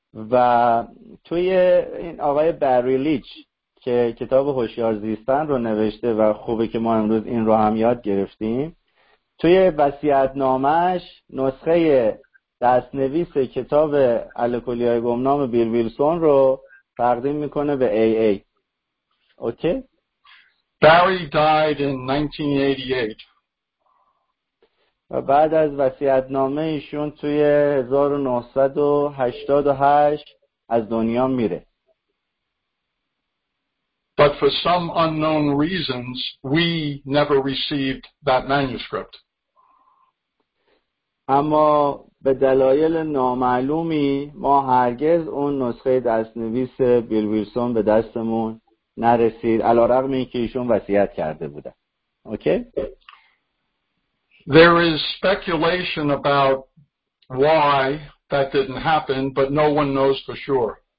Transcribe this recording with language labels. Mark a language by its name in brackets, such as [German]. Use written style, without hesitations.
[Persian] و توی این آقای باری لیچ که کتاب هوشیار زیستن رو نوشته و خوبه که ما امروز این رو هم یاد گرفتیم، توی وصیت‌نامه‌اش نسخه دست‌نویس کتاب الکلیای گمنام بیل ویلسون رو تقدیم می‌کنه به AA. اوکی؟ [English] Barry died in 1988. [Persian] بعد از وصیت‌نامه ایشون توی 1988 از دنیا میره. [English] But for some unknown reasons, we never received that manuscript. [Persian] اما به دلایل نامعلومی ما هرگز اون نسخه دستنویس بیل ویلسون به دستمون نرسید علارغم اینکه ایشون وصیت کرده بودن. [English] Okay? There is speculation about why that didn't happen, but no one knows for sure.